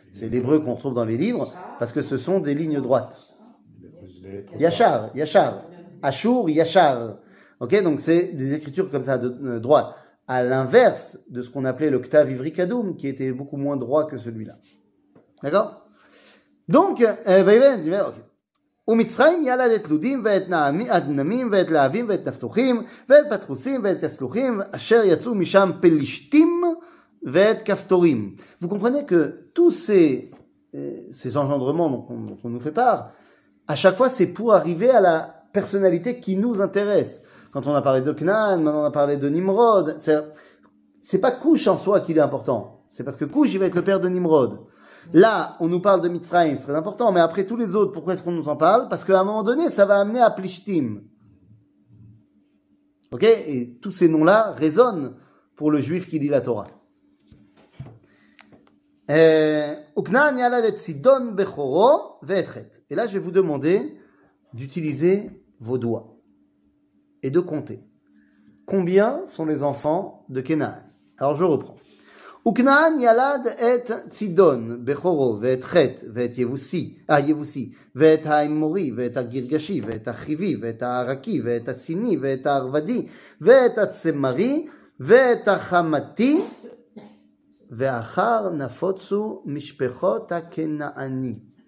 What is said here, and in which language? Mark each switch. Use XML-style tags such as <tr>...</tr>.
<fr>C'est l'hébreu qu'on retrouve dans les livres parce que ce sont des lignes droites. Yachar. Ashur, Yachar. Ok, donc c'est des écritures comme ça, de droite. À l'inverse de ce qu'on appelait le Ktav Ivri Kadum, qui était beaucoup moins droit que celui-là. D'accord ? Donc, Vayven, ok.</fr> <he>ומצרים ילד את לודים ואת נעמים ואת להבים ואת נפתוחים ואת פתחוסים ואת כסלוחים אשר יצאו משם פלישתים ואת כפתורים.</he> <fr>Vous comprenez que tous ces engendrements dont on nous fait part, à chaque fois c'est pour arriver à la personnalité qui nous intéresse. Quand on a parlé de Cnan, maintenant on a parlé de Nimrod, c'est pas couche en soi qui est important. C'est parce que Cush, il va être le père de Nimrod. Là, on nous parle de Mitzrayim, c'est très important. Mais après tous les autres, pourquoi est-ce qu'on nous en parle? Parce qu'à un moment donné, ça va amener à Plishtim. Ok? Et tous ces noms-là résonnent pour le juif qui lit la Torah. Et là, je vais vous demander d'utiliser vos doigts et de compter. Combien sont les enfants de Kenan? Alors, je reprends.</fr> <he>וכנען ילד את צידון בכורו ואת חט ואת יבוסי, יבוסי ואת האמורי ואת הגרגשי ואת החיבי ואת הערקי ואת הסיני ואת הערבדי ואת הצמרי ואת החמתי ואחר נפוצו משפחות הכנעני.</he>